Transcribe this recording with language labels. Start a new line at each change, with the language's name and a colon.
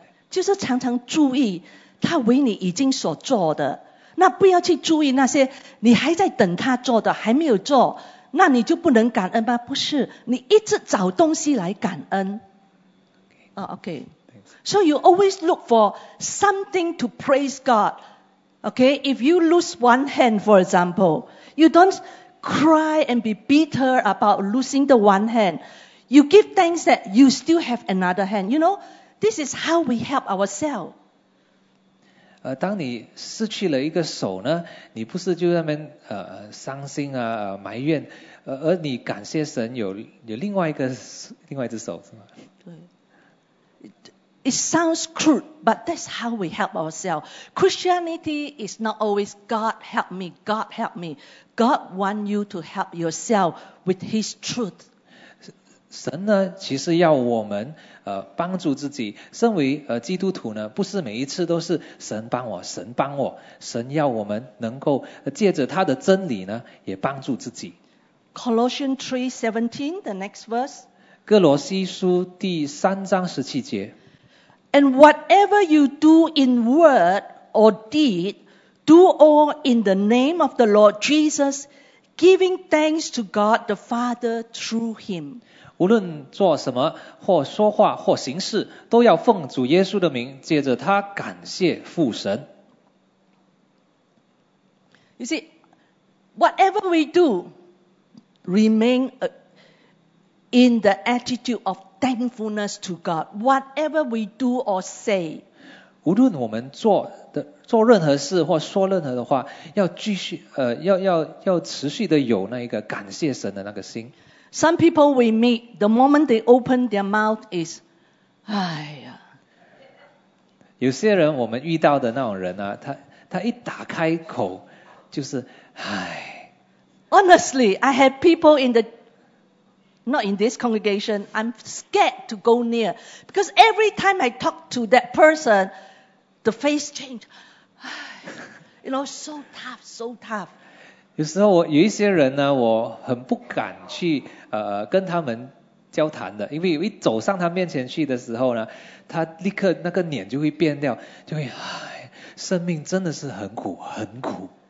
Chinese: 就是常常注意他为你已经所做的，那不要去注意那些你还在等他做的还没有做，那你就不能感恩吗？不是，你一直找东西来感恩。
English: Okay. So you always look for something to praise God. Okay, if you lose one hand, for example, you don't cry and be bitter about losing the one hand. You give thanks that you still have another hand. You know, this is how we help ourselves.
Chinese: 当你失去了一个手呢，你不是就在那边伤心啊埋怨，而你感谢神有另外一只手，是吗？对。
English: It sounds crude, but that's how we help ourselves. Christianity is not always God help me, God help me. God want you to help yourself with His truth.
Chinese: 神呢，其实要我们帮助自己。身为基督徒呢，不是每一次都是神帮我，神帮我。神要我们能够借着他的真理呢，也帮助自己。
English: Colossians 3:17, the next verse.
Chinese: 哥罗西书第三章十七节。
English: And whatever you do in word or deed, do all in the name of the Lord Jesus, giving thanks to God the Father through Him.
Chinese: 无论做什么，或说话，或行事，都要奉主耶稣的名，借着他感谢父神。
English: You see, whatever we do, remain in the attitude of thankfulness to God. Whatever we do or say,
Chinese: 无论我们做任何事或说任何的话，要继续要持续的有那一个感谢神的那个心。
English: Some people we meet, the moment they open their mouth is, 哎呀。
Chinese: 有些人我们遇到的那种人啊，他一打开口就是哎。
English: Honestly, I have people in the not in this congregation, I'm scared to go near. Because every time I talk to that person, the face changed. You know, so tough, so tough.
Chinese: 有时候我有一些人呢，我很不敢去跟他们交谈的，因为一走上他面前去的时候呢，他立刻那个脸就会变掉，就会唉，生命真的是很苦，很苦。